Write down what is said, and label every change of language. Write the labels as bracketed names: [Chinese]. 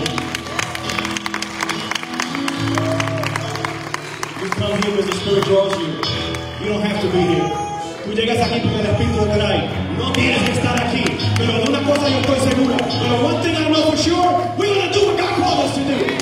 [English] You come here because the Spirit draws you. You don't have to be here. [Spanish] Tú llegas aquí porque el Espíritu te trae. No tienes que estar aquí. Pero una cosa yo estoy segura. [English] Pero one thing I know for sure, we're going to do what God called us to do.